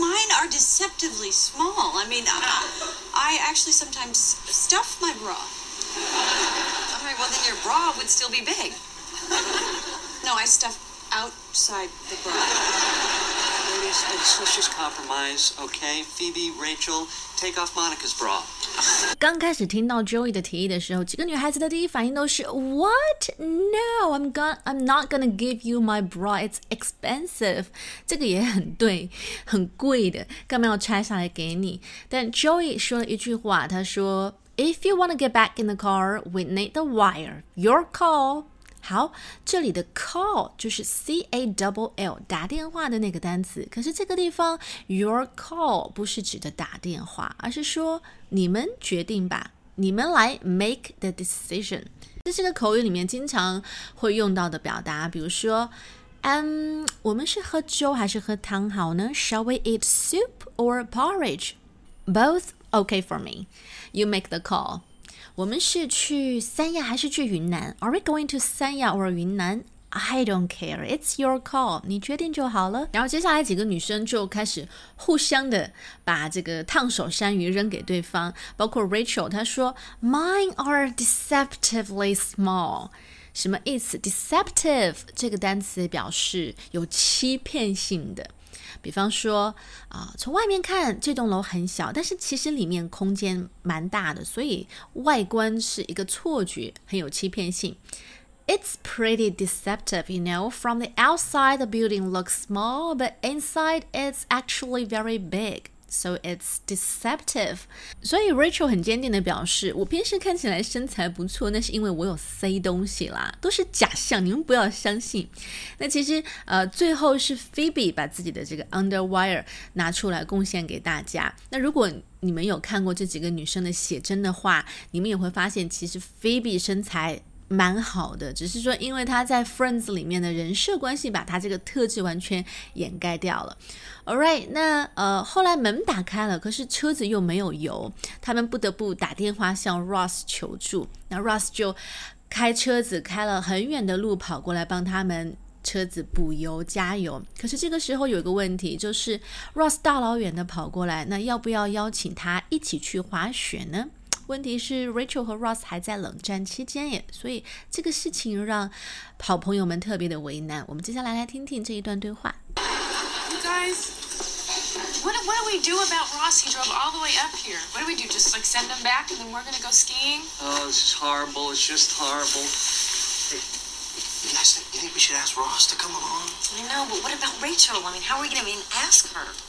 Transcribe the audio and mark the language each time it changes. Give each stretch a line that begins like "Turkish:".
English: Mine are deceptively small. I mean, I actually sometimes stuff my bra. All right, well, then your bra would still be big. No, I stuff outside the bra. Ladies, let's just compromise, okay? Phoebe, Rachel, take off Monica's bra.
Chinese: 刚开始听到 Joey 的提议的时候，几个女孩子的第一反应都是 What?
English: No, I'm not gonna give you my bra. It's expensive.
Chinese: 这个也很对，很贵的，干嘛要拆下来给你？
English: 但 Joey 说了一句话，他说 If you want to get back in the car, we need the wire. Your call.
Chinese: 好，这里的 call 就是 C-A-L-L, 打电话的那个单词。可是这个地方 your call 不是指的打电话，而是说你们决定吧，你们来 make the decision. 这是个口语里面经常会用到的表达，比如说我们是喝粥还是喝汤好呢？
English: Shall we eat soup or porridge? Both. Okay for me. You make the call.
Chinese: 我们是去三亚还是去云南？
English: Are we going to 三亚 or 云南？ I don't care. It's your call. 你决定就好了。
Chinese: 然后接下来几个女生就开始互相的把这个烫手山芋扔给对方。包括 Rachel, 她说 Mine are deceptively small. 什么意思？ Deceptive 这个单词表示有欺骗性的，比方说从外面看这栋楼很小，但是其实里面空间蛮大的，所以外观是一个错觉，很有欺骗性。
English: It's pretty deceptive, you know. From the outside, the building looks small, but inside it's actually very big. So it's deceptive.
Chinese: 所以 Rachel 很坚定地表示，我平时看起来身材不错，那是因为我有塞东西啦，都是假象，你们不要相信。那其实最后是 Phoebe 把自己的这个 underwire 拿出来贡献给大家。那如果你们有看过这几个女生的写真的话，你们也会发现其实 Phoebe 身材蛮好的，只是说因为她在 Friends 里面的人设关系把她这个特质完全掩盖掉了。 Alright, 那后来门打开了，可是车子又没有油，他们不得不打电话向 Ross 求助。那 Ross 就开车子开了很远的路跑过来帮他们车子补油加油。可是这个时候有一个问题，就是 Ross 大老远的跑过来，那要不要邀请他一起去滑雪呢？问题是 Rachel 和 Ross 还在冷战期间耶，所以这个事情让好朋友们特别的为难。我们接下来来听听这一段对话。
English: You guys, what do we do about Ross? He drove all the way up here. What do we do? Just like send him back and then we're gonna go skiing? Oh, this is horrible. It's just horrible. Hey, listen, you think we should ask Ross to come along? I know, but what about Rachel? I mean, how are we gonna even ask her?